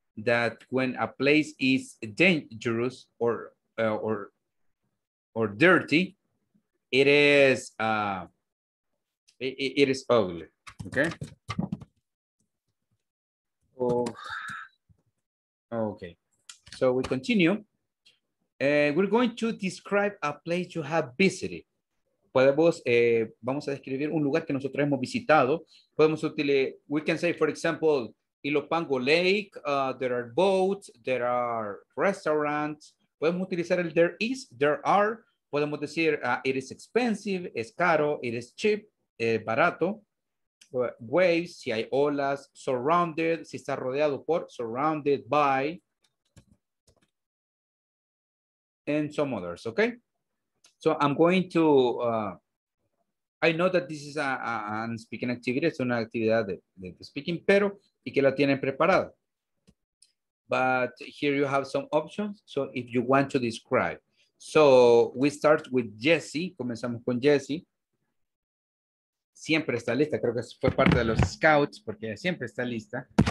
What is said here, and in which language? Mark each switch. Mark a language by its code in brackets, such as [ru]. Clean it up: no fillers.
[en] that when a place is dangerous or dirty, it is ugly. Okay. Okay. So we continue. We're going to describe a place you have visited. [es] Podemos, vamos a describir un lugar que nosotros hemos visitado. Podemos utilizar, [en] we can say, for example, Ilopango Lake, there are boats, there are restaurants. [es] Podemos utilizar el [en] there is, there are. [es] Podemos decir, [en] it is expensive, [es] es caro, [en] it is cheap, [es] barato. [en] Waves, [es] si hay olas, [en] surrounded, [es] si está rodeado por, [en] surrounded by. And some others, okay? So I'm going to, I know that this is an speaking activity, [es] es una actividad de speaking, pero, y que la tienen preparada. [en] But here you have some options, so if you want to describe. So we start with Jesse, [es] comenzamos con Jesse. Siempre está lista, creo que fue parte de los scouts, porque siempre está lista.